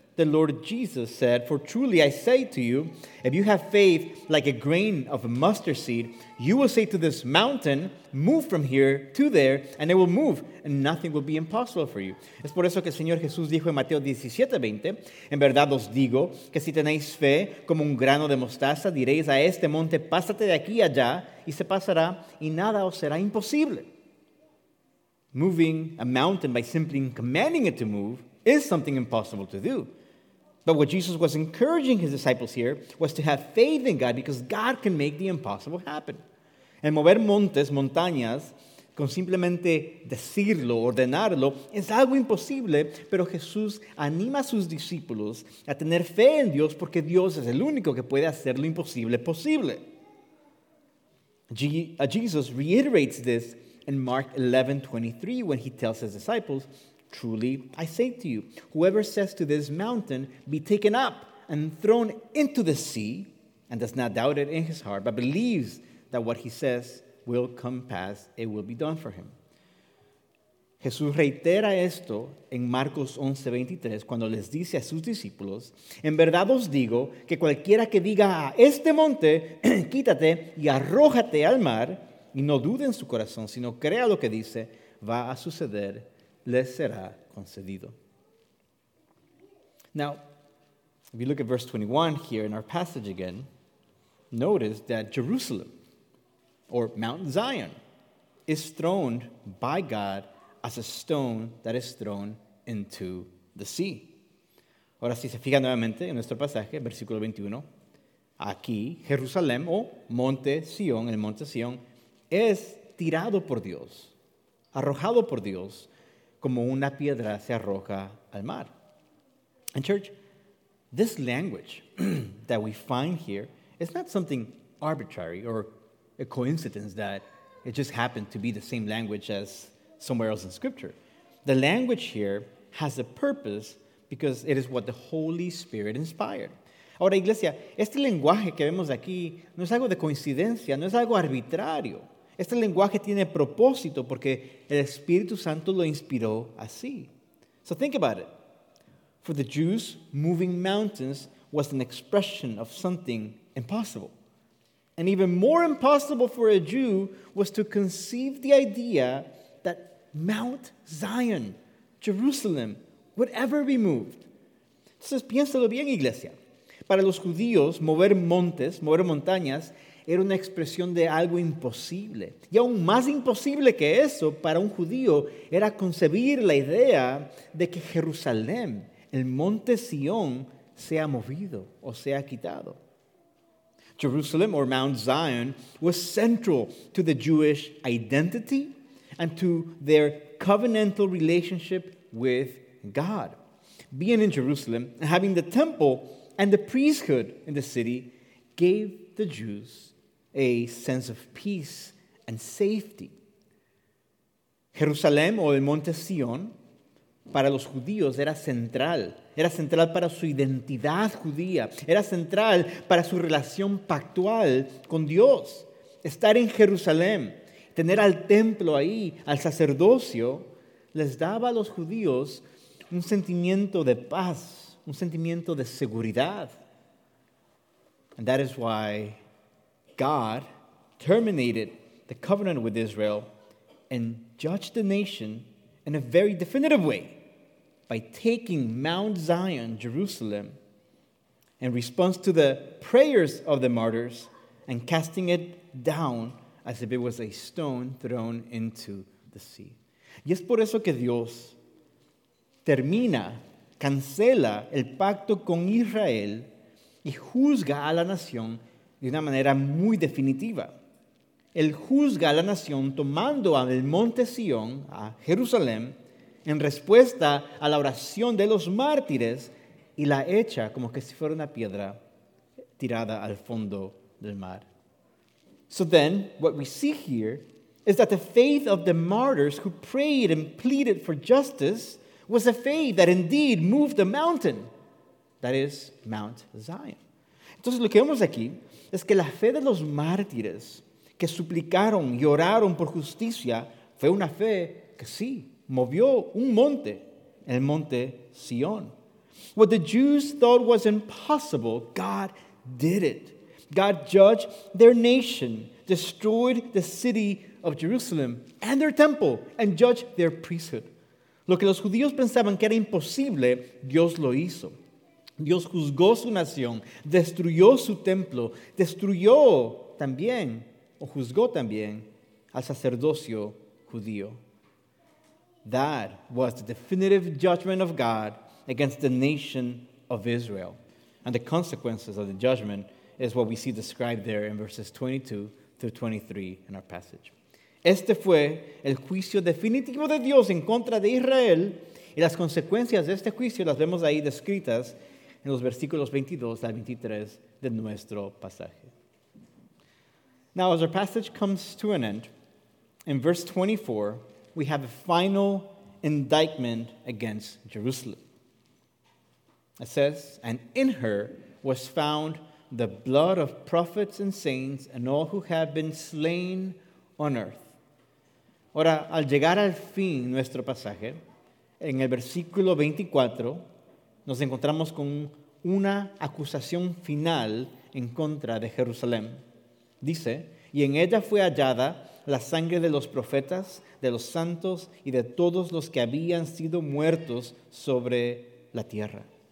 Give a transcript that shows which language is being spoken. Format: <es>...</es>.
<en>the Lord Jesus said, "For truly I say to you, if you have faith like a grain of a mustard seed, you will say to this mountain, 'Move from here to there,' and it will move, and nothing will be impossible for you."</en> <es>Es por eso que el Señor Jesús dijo en Mateo 17:20, "En verdad os digo que si tenéis fe como un grano de mostaza, diréis a este monte, 'Pásate de aquí allá,' y se pasará, y nada os será imposible."</es> <en>Moving a mountain by simply commanding it to move is something impossible to do. But what Jesus was encouraging his disciples here was to have faith in God, because God can make the impossible happen.</en> <es>And mover montes, montañas, con simplemente decirlo, ordenarlo, es algo imposible, pero Jesús anima a sus discípulos a tener fe en Dios porque Dios es el único que puede hacer lo imposible posible.</es> <en>Jesus reiterates this in Mark 11:23 when he tells his disciples, "Truly, I say to you, whoever says to this mountain, 'Be taken up and thrown into the sea,' and does not doubt it in his heart, but believes that what he says will come pass, it will be done for him."</en> <es>Jesús reitera esto en Marcos 11:23 cuando les dice a sus discípulos, "En verdad os digo que cualquiera que diga a este monte, 'Quítate y arrójate al mar,' y no dude en su corazón, sino crea lo que dice, va a suceder, le será concedido."</es> <en>Now, if you look at verse 21 here in our passage again, notice that Jerusalem, or Mount Zion, is thrown by God as a stone that is thrown into the sea.</en> <es>Ahora, si se fijan nuevamente en nuestro pasaje, versículo 21, aquí Jerusalén o Monte Sion, el Monte Sion, es tirado por Dios, arrojado por Dios, como una piedra se arroja al mar.</es> <en>And church, this language that we find here is not something arbitrary or a coincidence that it just happened to be the same language as somewhere else in Scripture. The language here has a purpose because it is what the Holy Spirit inspired.</en> <es>Ahora, iglesia, este lenguaje que vemos aquí no es algo de coincidencia, no es algo arbitrario. Este lenguaje tiene propósito porque el Espíritu Santo lo inspiró así.</es> <en>So think about it. For the Jews, moving mountains was an expression of something impossible. And even more impossible for a Jew was to conceive the idea that Mount Zion, Jerusalem, would ever be moved.</en> <es>Entonces, piénsalo bien, iglesia. Para los judíos, mover montes, mover montañas, era una expresión de algo imposible. Y aún más imposible que eso, para un judío, era concebir la idea de que Jerusalén, el monte Sion, sea movido o sea quitado.</es> <en>Jerusalem, or Mount Zion, was central to the Jewish identity and to their covenantal relationship with God. Being in Jerusalem and having the temple and the priesthood in the city gave the Jews a sense of peace and safety.</en> <es>Jerusalén o el Monte Sion para los judíos era central. Era central para su identidad judía. Era central para su relación pactual con Dios. Estar en Jerusalén, tener al templo ahí, al sacerdocio, les daba a los judíos un sentimiento de paz, un sentimiento de seguridad.</es> <en>And that is why God terminated the covenant with Israel and judged the nation in a very definitive way by taking Mount Zion, Jerusalem, in response to the prayers of the martyrs and casting it down as if it was a stone thrown into the sea.</en> <es>Y es por eso que Dios termina, cancela el pacto con Israel y juzga a la nación de una manera muy definitiva. Él juzga a la nación tomando al monte Sion, a Jerusalén, en respuesta a la oración de los mártires y la echa como que si fuera una piedra tirada al fondo del mar.</es> <en>So then, what we see here is that the faith of the martyrs who prayed and pleaded for justice was a faith that indeed moved the mountain. That is Mount Zion.</en> <es>Entonces, lo que vemos aquí es que la fe de los mártires que suplicaron y oraron por justicia fue una fe que sí, movió un monte, el monte Sion.</es> <en>What the Jews thought was impossible, God did it. God judged their nation, destroyed the city of Jerusalem and their temple, and judged their priesthood.</en> <es>Lo que los judíos pensaban que era imposible, Dios lo hizo. Dios juzgó su nación, destruyó su templo, destruyó también, o juzgó también, al sacerdocio judío.</es> <en>That was the definitive judgment of God against the nation of Israel. And the consequences of the judgment is what we see described there in verses 22 through 23 in our passage.</en> <es>Este fue el juicio definitivo de Dios en contra de Israel, y las consecuencias de este juicio las vemos ahí descritas en los versículos 22 al 23 de nuestro pasaje.</es> <en>Now, as our passage comes to an end, in verse 24, we have a final indictment against Jerusalem. It says, "And in her was found the blood of prophets and saints and all who have been slain on earth."</en> <es>Ahora, al llegar al fin nuestro pasaje, en el versículo 24, nos encontramos con una acusación final en contra de Jerusalén. Dice, "Y en ella fue hallada la sangre de los profetas, de los santos y de todos los que habían sido muertos sobre la tierra."</es>